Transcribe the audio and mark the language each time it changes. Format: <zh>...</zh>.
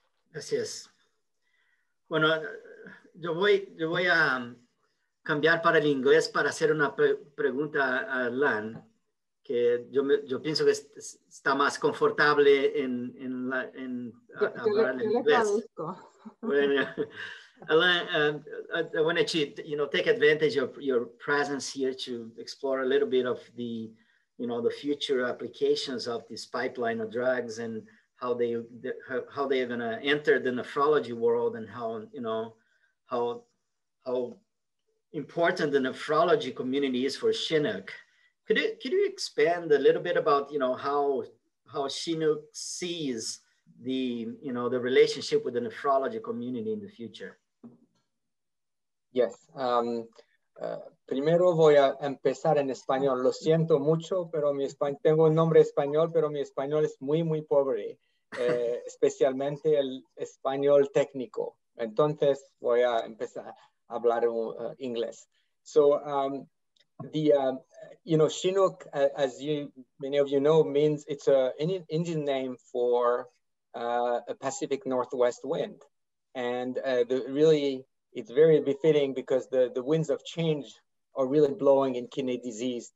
<es>Gracias. Bueno, yo voy a cambiar para el inglés para hacer una pregunta a Lan, que yo pienso que está más confortable en inglés. Yo le traduzco.</es> <en>Bueno, Alain, I want to, you know, take advantage of your presence here to explore a little bit of the, you know, the future applications of this pipeline of drugs and how they are going to enter the nephrology world and how, you know, how important the nephrology community is for Chinook. Could you expand a little bit about, you know, how Chinook sees the, you know, the relationship with the nephrology community in the future? Yes.</en> <es>Primero voy a empezar en español. Lo siento mucho, pero tengo un nombre español, pero mi español es muy, muy pobre, especialmente el español técnico. Entonces voy a empezar a hablar inglés.</es> <en>So, you know, Chinook, as you, many of you know, means it's an Indian name for a Pacific Northwest wind. And really, it's very befitting because the winds of change are really blowing in kidney disease.</en>